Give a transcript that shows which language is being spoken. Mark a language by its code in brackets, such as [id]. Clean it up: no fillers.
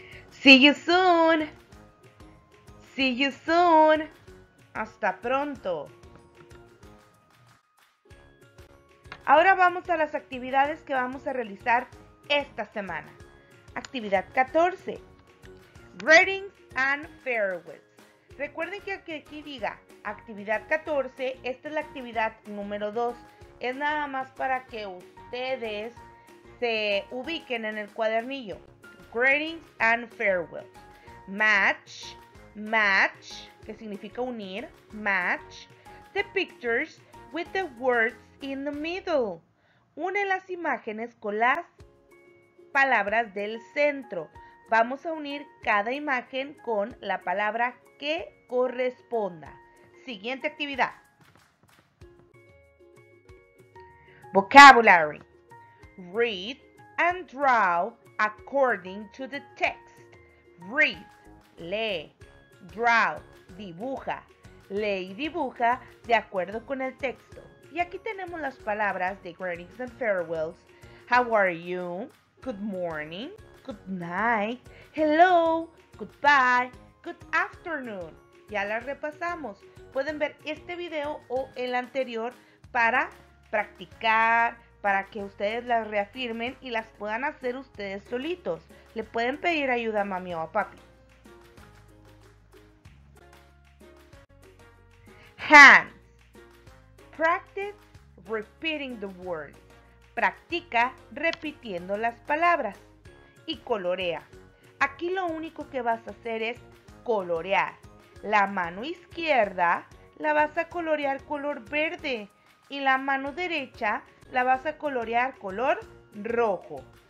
[en] See you soon. See you soon. [es] Hasta pronto. Ahora vamos a las actividades que vamos a realizar esta semana. Actividad 14. [en] Greetings and farewells. [es] Recuerden que aquí diga actividad 14, esta es la actividad número 2. Es nada más para que ustedes se ubiquen en el cuadernillo. [en] Greetings and farewells. Match, match, [es] que significa unir, [en] match the pictures with the words in the middle. [es] Une las imágenes con las palabras del centro. Vamos a unir cada imagen con la palabra que corresponda. Siguiente actividad. [en] Vocabulary. Read and draw according to the text. Read. Lee. Draw. Dibuja. [es] Lee y dibuja de acuerdo con el texto. Y aquí tenemos las palabras de [en] greetings and farewells. How are you? Good morning. Good night. Hello. Goodbye. Good afternoon. [es] Ya las repasamos. Pueden ver este video o el anterior para practicar, para que ustedes las reafirmen y las puedan hacer ustedes solitos. Le pueden pedir ayuda a mami o a papi. [en] Hand. Practice repeating the words. [es] Practica repitiendo las palabras. Y colorea. Aquí lo único que vas a hacer es colorear. La mano izquierda la vas a colorear color verde. Y la mano derecha la vas a colorear color rojo.